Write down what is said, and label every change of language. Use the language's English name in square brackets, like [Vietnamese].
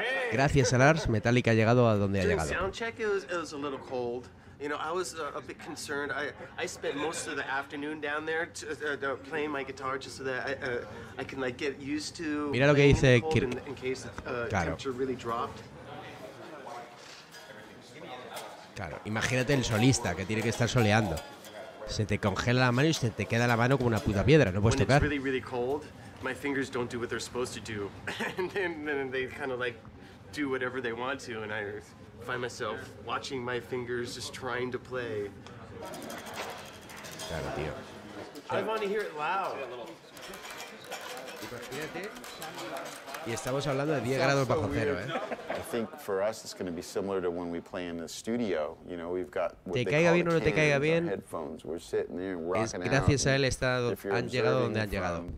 [Spanish] Gracias a Lars, Metallica ha llegado a donde ha llegado. [English] You know, I was a bit concerned. I spent most of the afternoon down there playing my guitar just so that I can like get used to. [Spanish] Mira lo que dice Kirk. [English] In case claro. Temperature really dropped. [Spanish] Claro, imagínate el solista que tiene que estar soleando. Se te congela la mano y se te queda la mano como una puta piedra, no puedes tocar. [English] Really, really cold, my fingers don't do what they're supposed to do. And then they kind of like do whatever they want to and I find myself watching my fingers just trying to play. [Spanish] Claro, tío. [English] I want to hear it loud. [Spanish] Y superfíjate. Y estamos hablando de 10 grados bajo cero, ¿eh? [English] I think for us it's going to be similar to when we play in the studio. You know, we've got [Spanish] te caiga bien o no te caiga bien, gracias a él han llegado donde han llegado.